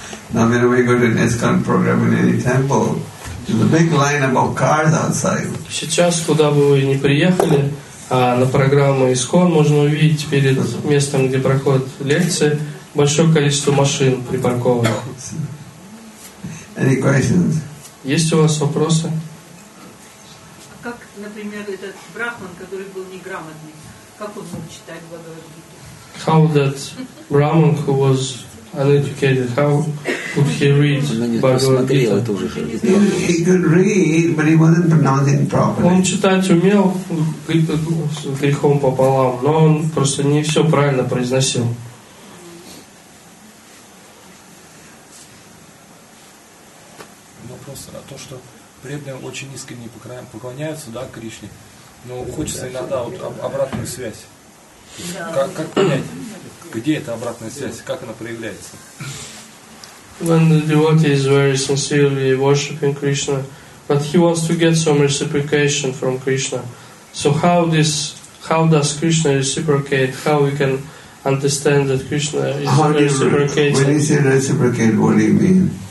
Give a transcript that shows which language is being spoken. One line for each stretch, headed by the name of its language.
English: Now when we go to NISKCON program in any temple, there's a big line about cars outside.
Russian: Сейчас куда бы вы ни приехали, на программу ИСКОН можно увидеть перед местом, где проходят лекции, большое количество машин припаркованных.
English: Any questions?
Russian: Есть у вас вопросы? Как, например, этот брахман, который был неграмотный, как он мог читать Бхагавад-гиту?
English: How that brahman who was uneducated, how could he read Bhagavad-gita? He could read, but he wasn't pronouncing properly.
Russian: Он читать умел с грехом пополам, но он просто не все правильно произносил. Вопрос о том, что преданные очень искренне поклоняются, да, Кришне, но хочется иногда вот обратную связь. Как понять, где эта обратная связь, как она проявляется?
English: When the devotee is very sincerely worshiping Krishna, but he wants to get some reciprocation from Krishna, so how does Krishna reciprocate? How we can understand that Krishna is reciprocating? When you say reciprocate, what do you mean?